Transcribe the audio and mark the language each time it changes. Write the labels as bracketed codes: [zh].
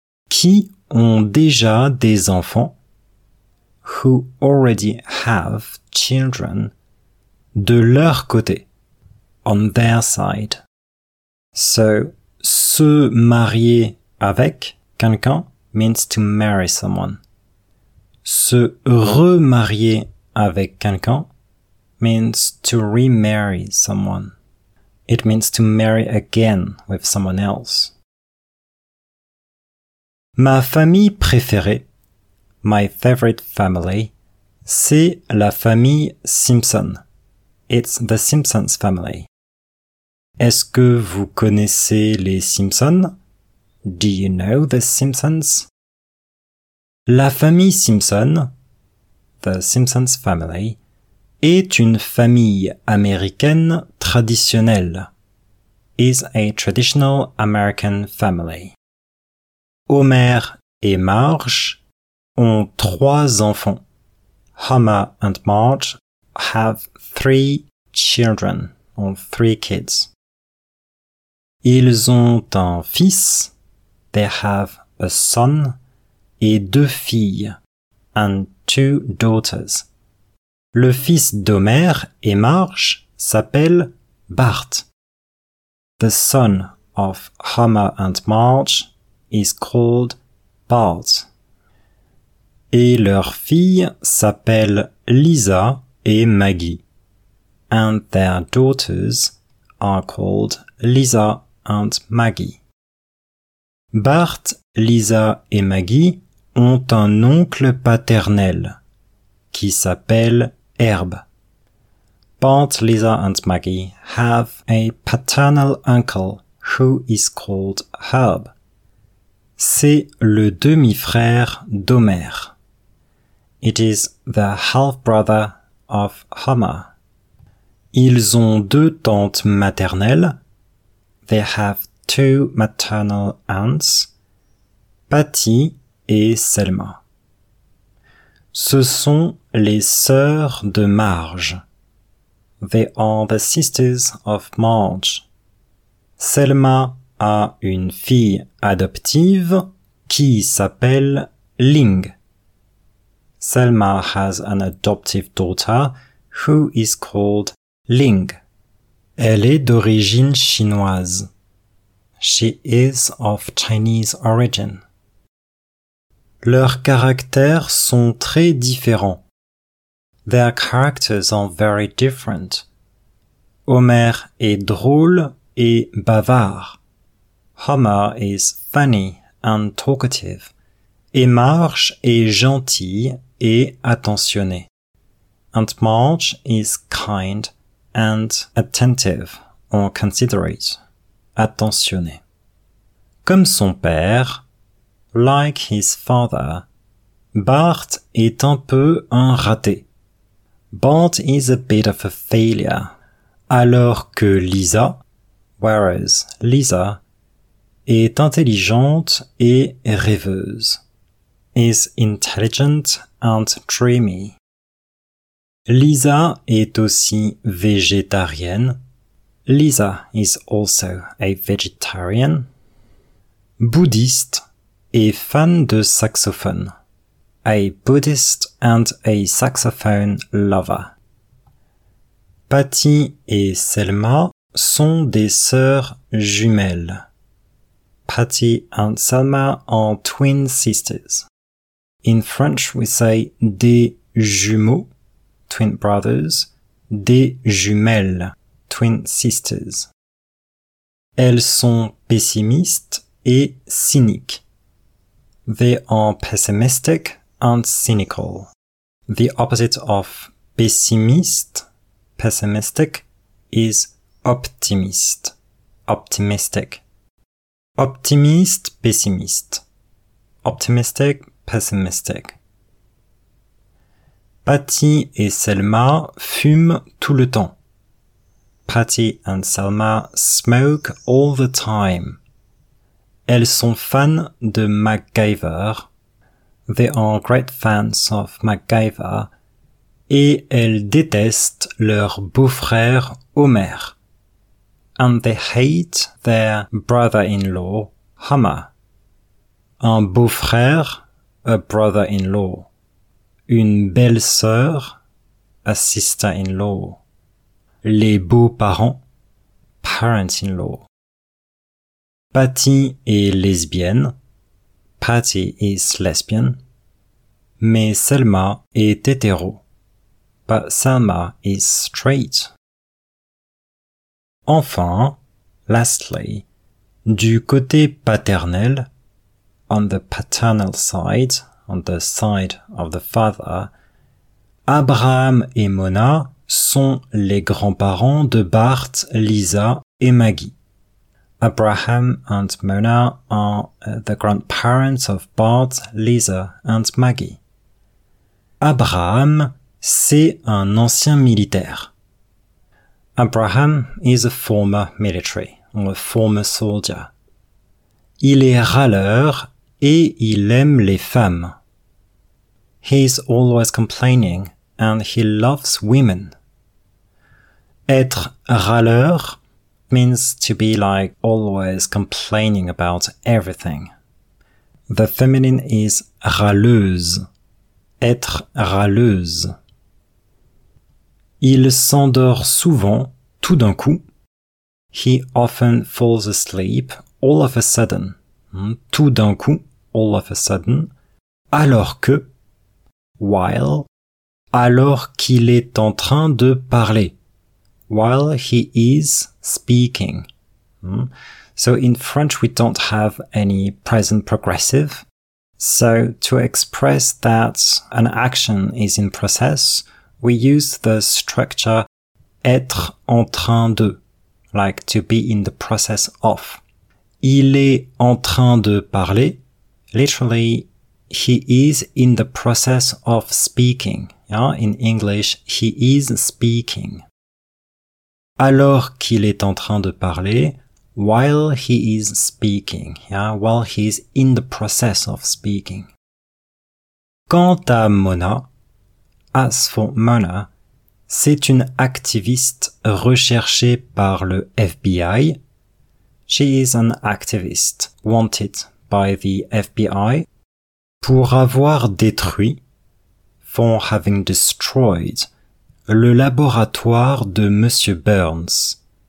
[fr] Qui ont déjà des enfants, [en] who already have children, [fr] de leur côté, [en] on their side. So, [fr] se marier avec quelqu'un [en] means to marry someone. [fr] Se remarier avec quelqu'un [en] means to remarry someone. It means to marry again with someone else. [fr] Ma famille préférée, [en] my favorite family, [fr] c'est la famille Simpson. [en] It's the Simpsons family. [fr] Est-ce que vous connaissez les Simpsons? [en] Do you know the Simpsons? [fr] La famille Simpson, [en] the Simpsons family, [fr] est une famille américaine traditionnelle. [en] Is a traditional American family. [fr] Homer et Marge ont trois enfants. [en] Homer and Marge have three children, or three kids. [fr] Ils ont un fils, [en] they have a son, [fr] et deux filles, [en] and two daughters. [fr] Le fils d'Homer et Marge s'appelle Bart. [en] The son of Homer and Marge is called Bart. [fr] Et leur fille s'appelle Lisa et Maggie. [en] And their daughters are called Lisa and Maggie. [fr] Bart, Lisa et Maggie ont un oncle paternel qui s'appelle Herb. [en] Bart, Lisa and Maggie have a paternal uncle who is called Herb. [fr] C'est le demi-frère d'Homer. [en] It is the half-brother of Homer. [fr] Ils ont deux tantes maternelles. [en] They have two maternal aunts, Patty et Selma. [fr] Ce sont les sœurs de Marge. [en] They are the sisters of Marge. [fr] Selma a une fille adoptive qui s'appelle Ling. [en] Selma has an adoptive daughter who is called Ling. [fr] Elle est d'origine chinoise. [en] She is of Chinese origin. [fr] Leurs caractères sont très différents. [en] Their characters are very different. [fr] Homer est drôle et bavard. [en] Homer is funny and talkative. [fr] Et Marge est gentille et attentionnée. [en] Aunt Marge is kind and attentive or considerate. Attentionnée. [fr] Comme son père, [en] like his father, [fr] Bart est un peu un raté. [en] Bart is a bit of a failure. [fr] Alors que Lisa, [en] whereas Lisa, [fr] est intelligente et rêveuse. [en] Is intelligent and dreamy. [fr] Lisa est aussi végétarienne. [en] Lisa is also a vegetarian. [fr] Bouddhiste et fan de saxophone. [en] A Buddhist and a saxophone lover. [fr] Patty et Selma sont des sœurs jumelles. [en] Patty and Selma are twin sisters. In French, we say [fr] des jumeaux, [en] twin brothers, [fr] des jumelles, [en] twin sisters. [fr] Elles sont pessimistes et cyniques. [en] They are pessimistic and cynical. The opposite of pessimiste, pessimistic, is optimiste, optimistic. [fr] Optimiste, pessimiste. [en] Optimistic, pessimistic. [fr] Patty et Selma fument tout le temps. [en] Patty and Selma smoke all the time. [fr] Elles sont fans de MacGyver. [en] They are great fans of MacGyver. [fr] Et elles détestent leur beau-frère Homer. [en] And they hate their brother-in-law, Homer. [fr] Un beau-frère, [en] a brother-in-law. [fr] Une belle-sœur, [en] a sister-in-law. [fr] Les beaux-parents, [en] parents-in-law. [fr] Patty est lesbienne. [en] Patty is lesbian. [fr] Mais Selma est hétéro. [en] But Selma is straight. [fr] Enfin, [en] lastly, [fr] du côté paternel, [en] on the paternal side, on the side of the father, [fr] Abraham et Mona sont les grands-parents de Bart, Lisa et Maggie. [en] Abraham and Mona are the grandparents of Bart, Lisa and Maggie. [fr] Abraham, c'est un ancien militaire. [en] Abraham is a former military, or a former soldier. [fr] Il est râleur et il aime les femmes. [en] He is always complaining and he loves women. [fr] Être râleur [en] means to be like always complaining about everything. The feminine is râleuse. [fr] Être râleuse. Il s'endort souvent. Tout d'un coup, [en] he often falls asleep all of a sudden. [fr] Tout d'un coup, [en] all of a sudden. [fr] Alors que, [en] while, [fr] alors qu'il est en train de parler. [en] While he is speaking. So in French, we don't have any present progressive. So to express that an action is in process, we use the structure [fr] être en train de, [en] like to be in the process of. [fr] Il est en train de parler. [en] Literally, he is in the process of speaking. Yeah? In English, he is speaking. [fr] Alors qu'il est en train de parler, [en] while he is speaking. Yeah? While he is in the process of speaking. [fr] Quant à Mona, [en] as for Mona, [fr] c'est une activiste recherchée par le FBI. [en] She is an activist wanted by the FBI [fr] pour avoir détruit, [en] for having destroyed, [fr] le laboratoire de Monsieur Burns.